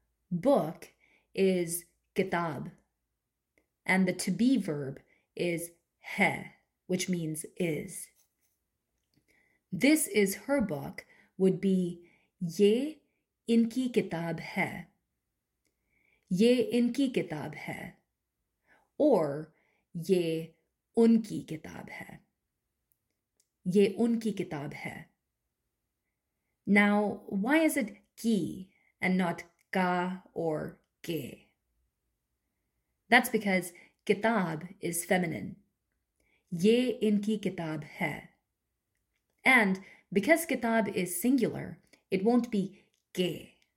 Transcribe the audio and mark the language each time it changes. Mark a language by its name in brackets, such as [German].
[English] Book is kitab, and the to-be verb is he, which means is. This is her book would be [Hindi] ye inki kitab hai. ये इनकी किताब है, [English] or [Hindi] ये उनकी किताब है. ये उनकी किताब है. [English] Now, why is it ki and not ka or ke? That's because kitab is feminine. [Hindi] Ye inki kitab hai. [English] And because kitab is singular, it won't be ke.